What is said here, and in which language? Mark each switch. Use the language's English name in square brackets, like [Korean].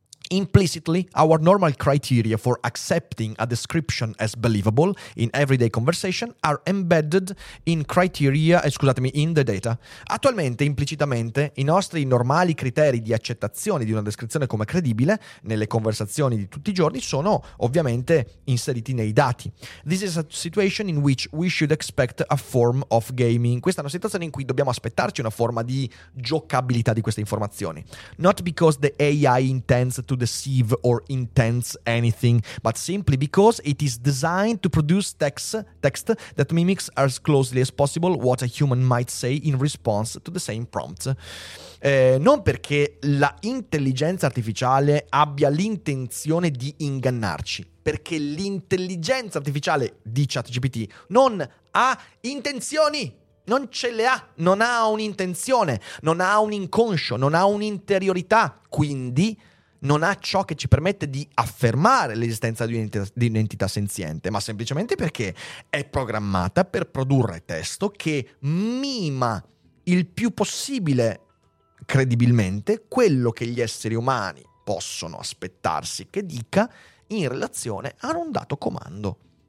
[English] Implicitly, our normal criteria for accepting a description as believable in everyday conversation are embedded in criteria, [Italian] scusatemi, [English] in the data. [Italian] Attualmente, implicitamente, i nostri normali criteri di accettazione di una descrizione come credibile nelle conversazioni di tutti i giorni sono ovviamente inseriti nei dati. [English] This is a situation in which we should expect a form of gaming. [Italian] Questa è una situazione in cui dobbiamo aspettarci una forma di giocabilità di queste informazioni. [English] Not because the AI intends to deceive or intends anything, but simply because it is designed to produce text that mimics as closely as possible what a human might say in response to the same prompt. [Italian] Non perché la intelligenza artificiale abbia l'intenzione di ingannarci, perché l'intelligenza artificiale di ChatGPT non ha intenzioni. Non ce le ha, non ha un'intenzione, non ha un inconscio, non ha un'interiorità, quindi non ha ciò che ci permette di affermare l'esistenza di un'entità senziente, ma semplicemente perché è programmata per produrre testo che mima il più possibile, credibilmente, quello che gli esseri umani possono aspettarsi che dica in relazione a un dato comando.